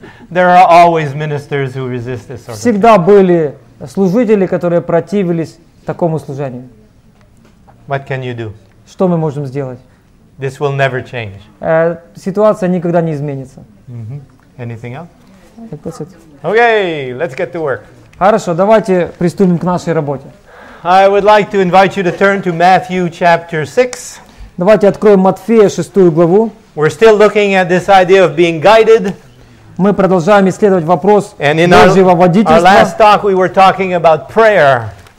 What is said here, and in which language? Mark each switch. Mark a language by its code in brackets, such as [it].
[en] There are always ministers who resist this sort of thing. [ru] Всегда были служители, которые противились такому служению. [en] What can you do? [ru] Что мы можем сделать? [en] This will never change. [ru] Ситуация никогда не изменится. [en] Mm-hmm. Anything else? Okay, let's get to work. [ru] Хорошо, давайте приступим к нашей работе. [en] I would like to invite you to turn to Matthew chapter 6. [ru] Давайте откроем Матфея 6 главу. [en] We're still looking at this idea of being guided. [ru] Мы продолжаем исследовать вопрос Божьего водительства. [en] And in our last talk we were talking about prayer.